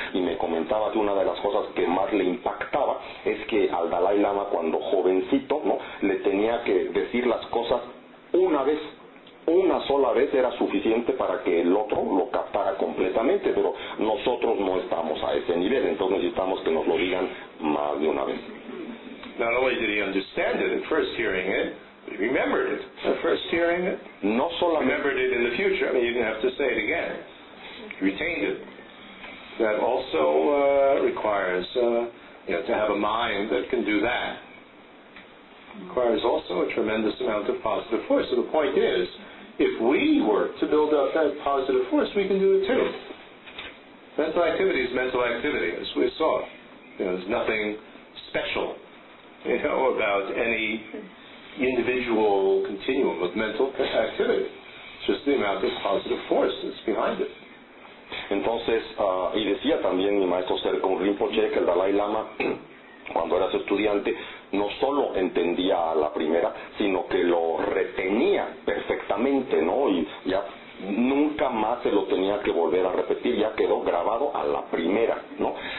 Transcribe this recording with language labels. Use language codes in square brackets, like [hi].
[es] Y me comentaba que una de las cosas que más le impactaba es que al Dalai Lama, cuando jovencito, ¿no?, le tenía que decir las cosas una vez. Una sola vez era suficiente para que el otro lo captara completamente, pero nosotros no estamos a ese nivel, entonces necesitamos que nos lo digan más de una vez. [en] Not only did he understand it at first hearing it, but he remembered it at first hearing it. [es] No solamente [en] remembered it in the future. I mean, you didn't have to say it again. He retained it. That also requires to have a mind that can do that. Requires also a tremendous amount of positive force. So the point is, if we work to build up that positive force, we can do it too. Mental activity is mental activity, as we saw. You know, there's nothing special, you know, about any individual continuum of mental activity. It's just the amount of positive force that's behind it. [es] Entonces, y decía también mi maestro Serkon Rinpoche, que el Dalai Lama, cuando era su estudiante, no solo entendía a la primera, sino que lo retenía perfectamente, ¿no? Y ya nunca más se lo tenía que volver a repetir, ya quedó grabado a la primera, ¿no?